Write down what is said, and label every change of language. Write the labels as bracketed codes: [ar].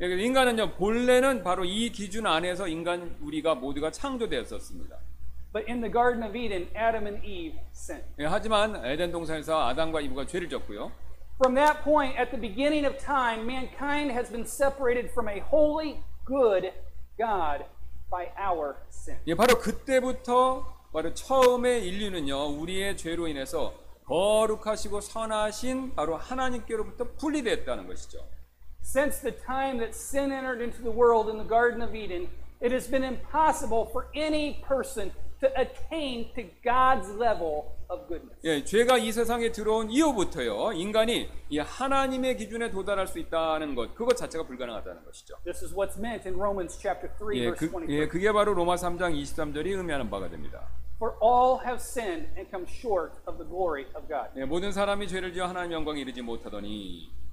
[ko] 예, 인간은요, 본래는 바로 이 기준 안에서 인간 우리가 모두가 창조되었었습니다. [en] But in the Garden of Eden, Adam and Eve sinned. [ko] 예, 하지만 에덴 동산에서 아담과 이브가 죄를 졌고요. [en] From that point, at the beginning of time, mankind has been separated from a holy, good God by our sin. [ko] 예, 바로 그때부터 바로 처음에 인류는요 우리의 죄로 인해서 거룩하시고 선하신 바로 하나님께로부터 분리됐다는 것이죠. [en] Since the time that sin entered into the world in the Garden of Eden, it has been impossible for any person to attain to God's level of goodness. [ko] 예, 죄가 이 세상에 들어온 이후부터요. 인간이 이 하나님의 기준에 도달할 수 있다는 것, 그것 자체가 불가능하다는 것이죠. [en] This is what's meant in Romans chapter 3 [ko] 예, [en] verse 23. [ko] 예, 그게 바로 로마 3장 23절이 의미하는 바가 됩니다. [en] For all have sinned and come short of the glory of God. [ko] 예, 모든 사람이 죄를 지어 하나님의 영광에 이르지 못하더니